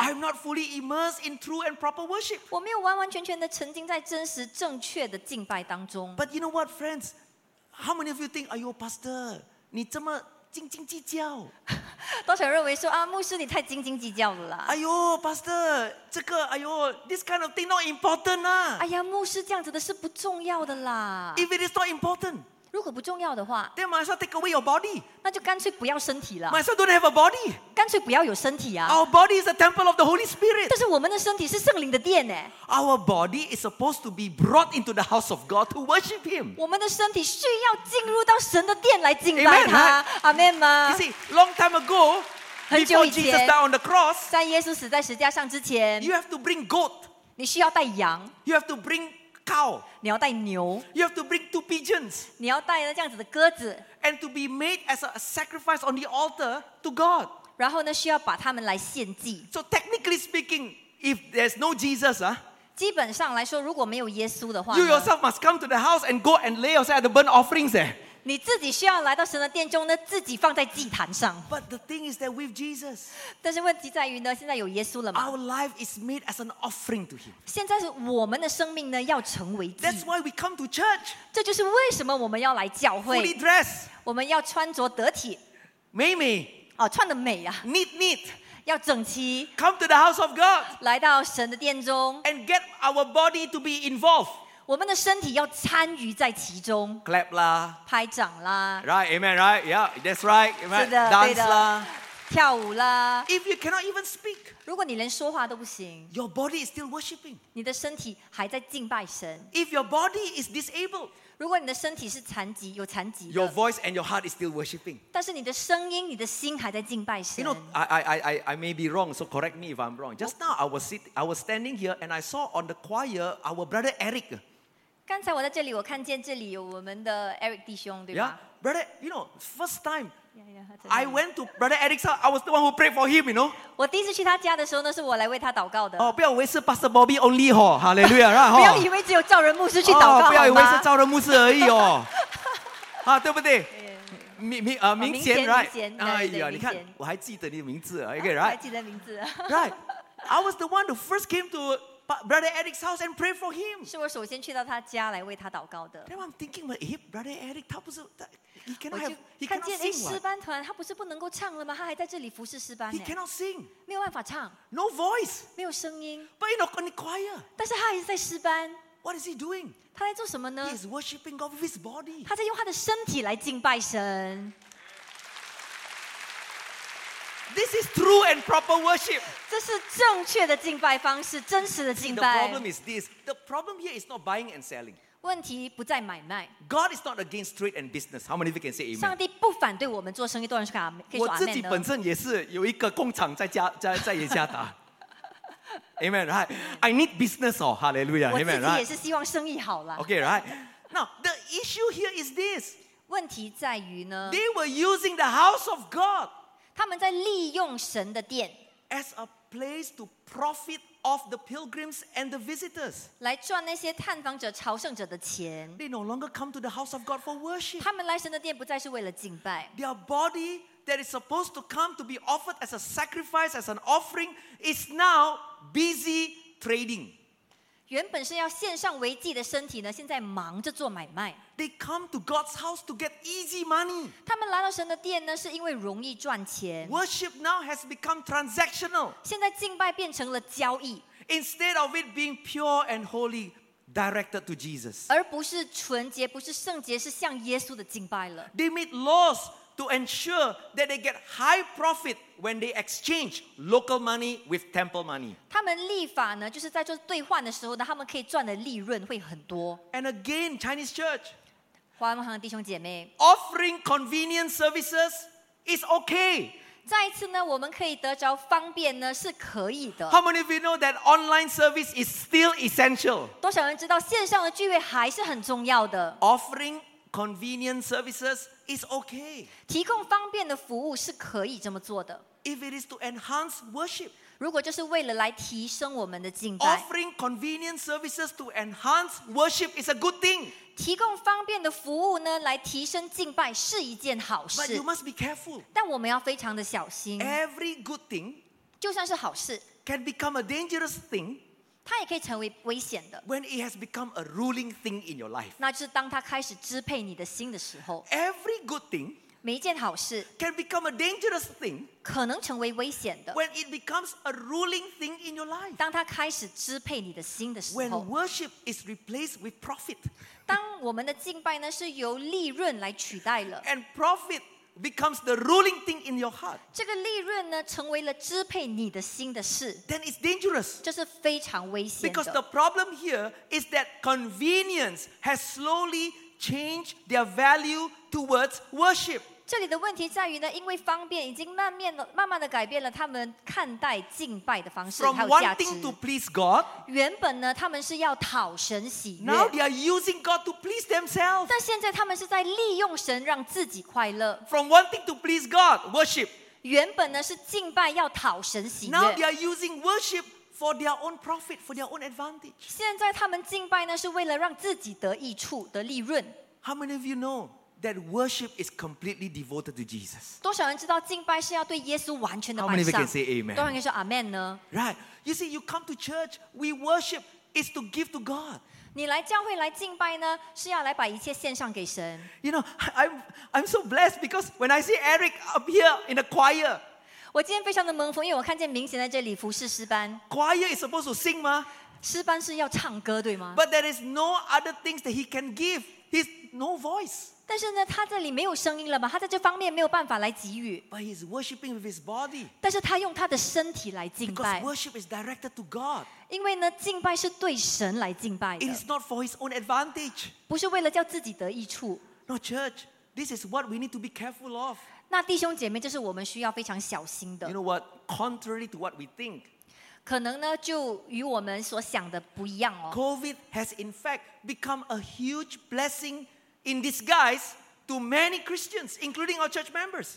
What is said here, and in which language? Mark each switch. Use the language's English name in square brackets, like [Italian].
[English] I'm not fully immersed in true and proper worship [Chinese] 我没有完完全全的沉浸在真实正确的敬拜当中 [English] But you know what, friends? How many of you think, are you a pastor? [Chinese] 你这么斤斤计较多少人认为说啊，牧师你太斤斤计较了啦哎呦 [English] Pastor [Chinese] 这个哎呦 [English] This kind of thing not important [Chinese] 啊哎呀牧师这样子的是不重要的啦 [English] If it is not important [Chinese] 如果不重要的话 [English] Then might as well take away your body [Chinese] 那就干脆不要身体了 [English] Might as well don't have a body [Chinese] 干脆不要有身体啊 [English] Our body is a temple of the Holy Spirit [Chinese] 但是我们的身体是圣灵的殿 [English] Our body is supposed to be brought into the house of God to worship Him [Chinese] 我们的身体需要进入到神的殿来敬拜他 Amen 吗 [English] You see, long time ago before Jesus died on the cross [Chinese] 在耶稣死在十字架上之前 [English] You have to bring goat [Chinese] 你需要带羊 [English] You have to bring cow [Chinese] 你要带牛 [English] You have to bring two pigeons [Chinese] 你要带这样子的鸽子 [English] And to be made as a sacrifice on the altar to God [Chinese] 然后呢需要把它们来献祭 [English] So technically speaking if there's no Jesus [Chinese] 基本上来说如果没有耶稣的话 [English] You yourself must come to the house and go and lay yourself at the burnt offerings [Chinese] 你自己需要来到神的殿中呢自己放在祭坛上 [English] But the thing is that with Jesus [Chinese] 但是问题在于呢现在有耶稣了嘛 [English] Our life is made as an offering to him [Chinese] 现在是我们的生命呢要成为祭 [English] That's why we come to church [Chinese] 这就是为什么我们要来教会 [English] Fully dressed [Chinese] 我们要穿着得体美美、哦、穿得美啊 [English] Neat neat [Chinese] 要整齐 [English] Come to the house of God [Chinese] 来到神的殿中 [English] And get our body to be involved [Chinese] 我们的身体要参与在其中 [English] clap 啦 [Chinese] 拍掌啦 [English] right amen right yeah that's right amen, [Chinese] 是的 [English] dance 啦 [Chinese] 跳舞啦 [English] if you cannot even speak [Chinese] 如果你连说话都不行 [English] your body is still worshiping [Chinese] 你的身体还在敬拜神 [English] if your body is disabled [Chinese] 如果你的身体是残疾有残疾的 [English] your voice and your heart is still worshiping [Chinese] 但是你的声音你的心还在敬拜神 [English] you know I may be wrong so correct me if I'm wrong just now I was standing here and I saw on the choir our brother Eric [Chinese] 刚才我在这里，我看见这里有我们的 Eric 弟兄，对吧 [English] ？Yeah, brother, you know, first time, I went to brother Eric's house. I was the one who prayed for him, you know. [Chinese] 我第一次去他家的时候呢，是我来为他祷告的。哦，不要以为是 Pastor Bobby only 哈 ，Hallelujah, 不要以为只有赵仁牧师去祷告，不要以为是赵仁牧师而已哦。啊，对不对？明贤 ，right？哎呀，你看，我还记得你的名字 ，OK，right？还记得名字 [English] ，right？ I was the one who first came to. But brother Eric's house and pray for him. [Chinese] 是我首先去到他家来为他祷告的。 [English] Then I'm thinking, but if brother Eric, [Chinese] 他不是 [English] he cannot have, he cannot sing. [Chinese] 看见诗班团，他不是不能够唱了吗？他还在这里服侍诗班。 [English] He cannot sing. [Chinese] 没有办法唱。 [English] No voice. [Chinese] 没有声音。 [English] But you know, in the choir. [Chinese] 但是他还是在诗班。 [English] What is he doing? [Chinese] 他在做什么呢? [English] He is worshiping God with his body. [Chinese] 他在用他的身体来敬拜神。 [English] This is true and proper worship. [Chinese] 这是正确的敬拜方式，真实的敬拜。 [English] The problem is this. The problem here is not buying and selling. [Chinese] 问题不在买卖。 [English] God is not against trade and business. How many of you can say amen? [Chinese] 上帝不反对我们做生意，多人说 amen 呢？我自己本身也是有一个工厂在加拿大。 [English] Amen, right? I need business, oh, hallelujah. Amen, right? [Chinese] 我自己也是希望生意好了。 [English] Okay, right? Now, the issue here is this. [Chinese] 问题在于呢 [English] ？They were using the house of God. [Chinese] 他们在利用神的殿。 [English] As a place to profit. Of the pilgrims and the visitors, [Chinese] 来赚那些探访者、朝圣者的钱。 [English] They no longer come to the house of God for worship. [Chinese] 他们来神的殿不再是为了敬拜。 [English] Their body that is supposed to come to be offered as a sacrifice, as an offering, is now busy trading. [Chinese] 原本是要献上为祭的身体呢，现在忙着做买卖。 [English] They come to God's house to get easy money. [Chinese] 他们来到神的殿呢，是因为容易赚钱。 [English] Worship now has become transactional. [Chinese] 现在敬拜变成了交易。 [English] Instead of it being pure and holy, directed to Jesus. [Chinese] 而不是纯洁，不是圣洁，是向耶稣的敬拜了。 [English] They made laws to ensure that they get high profit when they exchange local money with temple money. [Chinese] 他们立法呢，就是在做兑换的时候呢，他们可以赚的利润会很多。 [English] And again, Chinese church. [Chinese] 华文堂的弟兄姐妹。 [English] Offering convenient services is okay. [Chinese] 再一次呢，我们可以得着方便呢，是可以的。 [English] How many of you know that online service is still essential? [Chinese] 多少人知道线上的聚会还是很重要的。 [English] Offering convenient services. It's okay. [Chinese] 提供方便的服务是可以这么做的。 [English] If it is to enhance worship, [Chinese] 如果就是为了来提升我们的敬拜。 [English] Offering convenient services to enhance worship is a good thing. [Chinese] 提供方便的服务呢，来提升敬拜是一件好事。 [English] But you must be careful. [Chinese] 但我们要非常的小心。 [English] Every good thing, [Chinese] 就算是好事 [English] can become a dangerous thing. [Chinese] 它也可以成为危险的。 [English] When it has become a ruling thing in your life, [Chinese] 那就是当它开始支配你的心的时候。 [English] Every good thing, [Chinese] 每一件好事 [English] can become a dangerous thing, [Chinese] 可能成为危险的。 [English] When it becomes a ruling thing in your life, [Chinese] 当它开始支配你的心的时候。 [English] When worship is replaced with profit, [Chinese] 当我们的敬拜呢是由利润来取代了。 [English] And profit becomes the ruling thing in your heart. [Chinese] 这个利润呢，成为了支配你的心的事。 [English] Then it's dangerous. [Chinese] 这是非常危险的。 [English] Because the problem here is that convenience has slowly changed their value towards worship. [Chinese] 这里的问题在于呢，因为方便已经慢慢的改变了他们看待敬拜的方式还有价值。 [English] From wanting to please God, [Chinese] 原本呢，他们是要讨神喜悦。 [English] Now they are using God to please themselves. [Chinese] 但现在他们是在利用神让自己快乐。 [English] From wanting to please God, worship. [Chinese] 原本呢是敬拜要讨神喜悦。 [English] Now they are using worship. For their own profit, for their own advantage. [Chinese] 现在他们敬拜呢，是为了让自己得益处、得利润。 [English] How many of you know that worship is completely devoted to Jesus? [Chinese] 多少人知道敬拜是要对耶稣完全的摆上？ [English] How many of you can say amen? [Chinese] 多少人可以说 amen 呢？ [English] Right. You see, you come to church, we worship is to give to God. [Chinese] 你来教会来敬拜呢，是要来把一切献上给神。 [English] You know, I'm so blessed because when I see Eric up here in the choir. [Chinese] 我今天非常的蒙福，因为我看见明贤在这里服侍诗班。 [English] Choir is supposed to sing [Chinese] 吗？诗班是要唱歌，对吗 [English] ？But there is no other things that he can give. He's no voice. [Chinese] 但是呢，他这里没有声音了吗？他在这方面没有办法来给予。 [English] But he's worshiping with his body. [Chinese] 但是他用他的身体来敬拜。 [English] Because worship is directed to God. [Chinese] 因为呢，敬拜是对神来敬拜的。 [English] It is not for his own advantage. [Chinese] 不是为了叫自己得益处。 [English] No church, this is what we need to be careful of. [Chinese] 那弟兄姐妹，这是我们需要非常小心的。 [English] You know what? Contrary to what we think, [Chinese] 可能呢就与我们所想的不一样哦。 [English] COVID has in fact become a huge blessing in disguise to many Christians, including our church members.